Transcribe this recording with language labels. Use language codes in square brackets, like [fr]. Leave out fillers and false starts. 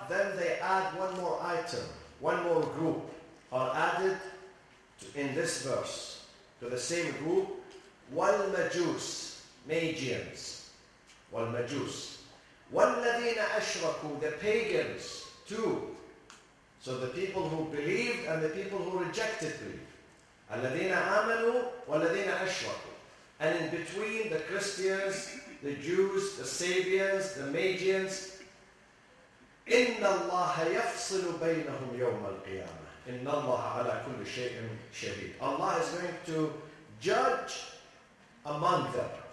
[en] Then they add one more item, one more group are added to, in this verse, to the same group, [ar] والمجوس, [en] Magians, [ar] والمجوس, والذينَ أشركوا, [en] the pagans too. So the people who believed and the people who rejected belief. [ar] الذينَ آمنوا والذينَ أشركوا. [en] And in between, the Christians, the Jews, the Sabians, the Magians. [ar] إِنَّ اللَّهَ يَفْصِلُ بَيْنَهُمْ يَوْمَ الْقِيَامَةِ. إِنَّ اللَّهَ عَلَى كُلِّ شَيْءٍ شَهِيدٌ. [en] Allah is going to judge among them.